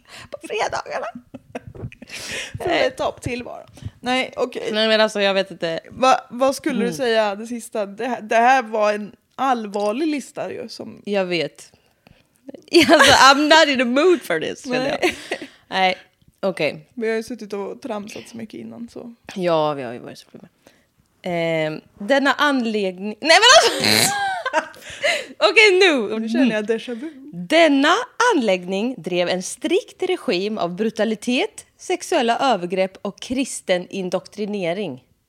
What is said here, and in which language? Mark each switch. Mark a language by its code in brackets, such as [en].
[sv] På fredagarna. Topp tillvaro. Nej, okej. Okay. Nej, men alltså, jag vet inte. Vad skulle du säga det sista? Det här var en allvarlig lista ju. Som... Jag vet. [en] Alltså, I'm not in the mood for this. [sv] Nej. Okej. Okay. Vi har ju suttit och tramsat så mycket innan. Så. Ja, vi har ju varit så problem. Denna anläggning... Nej, men alltså... Okej, nu. Känner jag déjà vu. Denna anläggning drev en strikt regim av brutalitet, sexuella övergrepp och kristen indoktrinering.